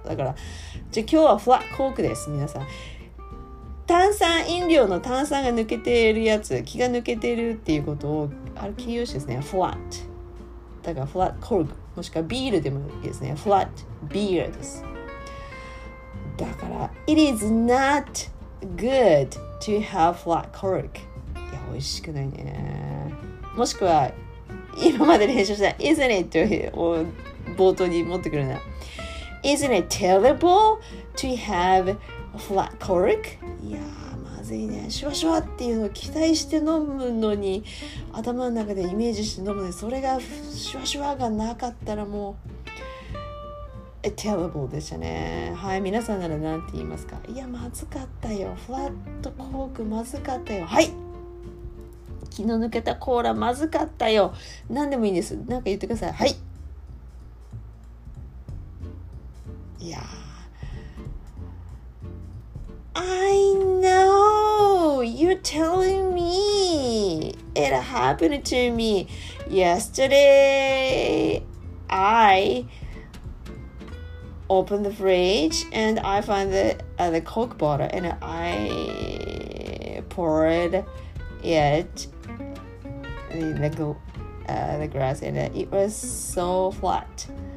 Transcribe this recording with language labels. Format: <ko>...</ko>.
<ja>だから、じゃあ今日はフラットコークです、皆さん。炭酸飲料の炭酸が抜けているやつ、気が抜けているっていうことを、あれ形容詞ですね、フラット。だからフラットコーク、もしくはビールでもいいですね、フラットビールです。だから</ja> <en>It is not good to have flat cork.</en> <ja>いや、美味しくないね。もしくは今まで練習した</ja> <en>Isn't it?</en> <ja>を冒頭に持ってくるな。</ja> <en>Isn't it terrible to have flat cork?</en> <ja>いや、まずいね。シュワシュワっていうのを期待して飲むのに、頭の中でイメージして飲むのに、それがシュワシュワがなかったらもうTerrible でしたね。はい、皆さんなら何て言いますか。いや、まずかったよ。フラットコークまずかったよ。はい、気の抜けたコーラまずかったよ。何でもいいんです。何か言ってください。はい、いや、</ja> <en>I know you're telling me it happened to me yesterday. I open the fridge and I find the Coke bottle and I poured it in the glass and it was so flat.</en>